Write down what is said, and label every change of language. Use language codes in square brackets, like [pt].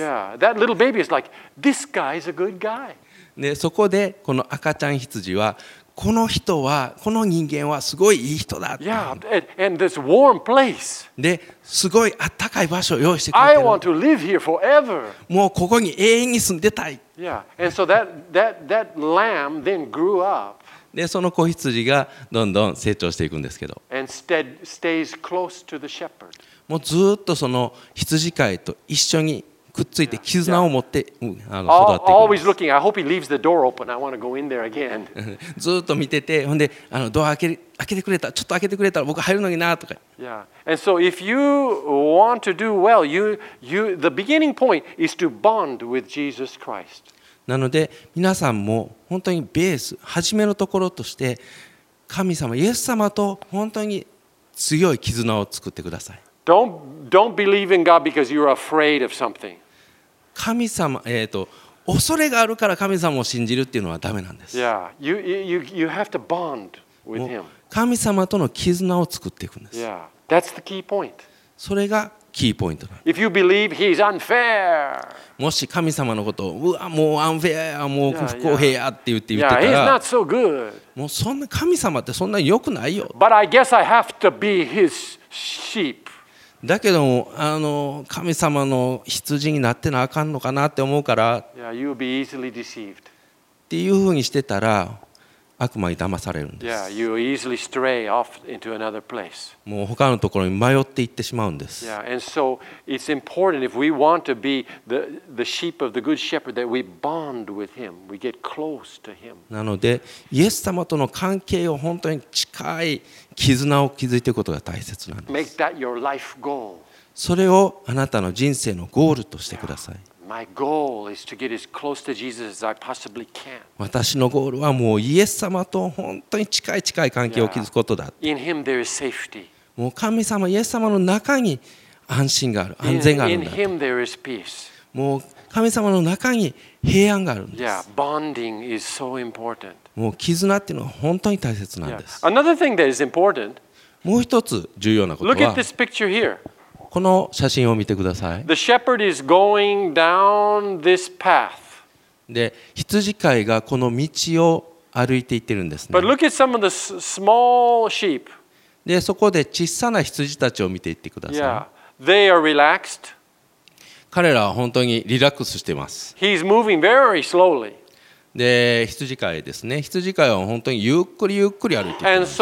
[en] Yeah, that little baby is like this guy is a good guy. [ja] でそこでこの赤ちゃん羊はこの人はこの人間はすごいいい人だって。 [en] Yeah, and this warm place. [ja] で、すごい暖かい場所を用意してくれてる。 [en] I want to live here forever. [ja] もうここに永遠に住んでたい。 [en] Yeah, and so that lamb then grew up. [ja] で、その子羊がどんどん成長していくんですけど。 [en] And stays close to the shepherd. [ja] もうずっとその羊飼いと一緒にくっついて絆を持って育ってい [en] く。Always looking. I hope he leaves the door open. I want to go in there again. [ja] ずっと見てて、ほんでドア開けてくれた、ちょっと開けてくれたら僕入るのになとか。 [en] Yeah. And so if you want to do well, you the beginning point is to bond with Jesus Christ. [ja] なので皆さんも本当にベース、初めのところとして神様、イエス様と本当に強い絆を作ってください。 [en] Don't believe in God because you're afraid of something. [ja] 神様、恐れがあるから神様を信じるっていうのはダメなんです。 [en] Yeah, you have to bond with him. [ja] 神様との絆を作っていくんです。 [en] Yeah, that's the key point. [ja] それがキーポイントなんです。 [en] If you believe he's unfair. [ja] もし神様のことをうわもう unfair や、もう不公平やって言ってみたら、 [en] yeah, he's not so good. [ja] もうそんな神様ってそんなに良くないよ。 [en] But I guess I have to be his sheep. [ja] だけども神様の羊になってなあかんのかなって思うから [en] yeah, you'll be easily deceived. [ja] っていうふうにしてたら悪魔に騙されるんです。 [en] yeah, you'll easily stray off into another place. [ja] もう他のところに迷っていってしまうんです。 [en] yeah, and so it's important if we want to be the sheep of the good shepherd that we bond with him, we get close to him. [ja] なのでイエス様との関係を本当に近い絆を築いていくことが大切なんです。 [en] Make that your life goal. [ja] それをあなたの人生のゴールとしてください。 [en] My goal is to get as close to Jesus as I possibly can. [ja] 私のゴールはもうイエス様と本当に近い関係を築くことだ。 [en] In him there is safety. [ja] もう神様、イエス様の中に安心がある、安全があるんだ。 [en] In him there is peace. [ja] もう神様の中に平安があるんです。 [en] Yeah, bonding is so important. [ja] もう絆っていうのは本当に大切なんです。 [en] Yeah. Another thing that is important. [ja] もう一つ重要なことは、 [en] Look at this picture here. [ja] この写真を見てください。 [en] The shepherd is going down this path. [ja] で、羊飼いがこの道を歩いていってるんですね。 [en] But look at some of the small sheep. [ja] で、そこで小さな羊たちを見ていってください。 [en] Yeah. They are relaxed. [ja] 彼らは本当にリラックスしています。 [en] He's moving very slowly. [ja] で、羊飼いですね。羊飼いは本当にゆっくりゆっくり歩いています。